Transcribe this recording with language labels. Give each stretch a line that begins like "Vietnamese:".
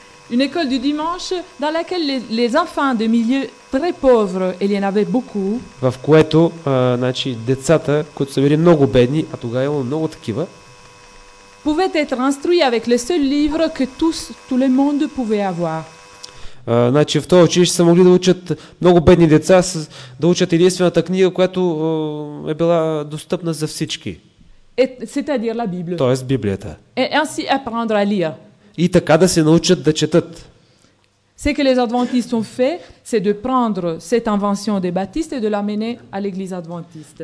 French: Une école du dimanche dans laquelle les enfants de milieux très pauvres, et il y en avait beaucoup.
Bulgarian: В което, значи, децата, които са били много бедни, а тогава имало много такива.
French: Pouvaient être instruits avec le seul livre que tout le monde pouvait avoir.
Bulgarian: Значи, в това училище са могли да учат много бедни деца да учат единствената книга, която е била достъпна за всички.
French: C'est-à-dire la Bible.
Bulgarian: Тоест Библията.
French: Et ainsi apprendre à lire.
Bulgarian: И така да се научат да четат.
French: Ce que les adventistes ont fait, c'est de prendre cette invention des baptistes et de l'amener à l'église adventiste.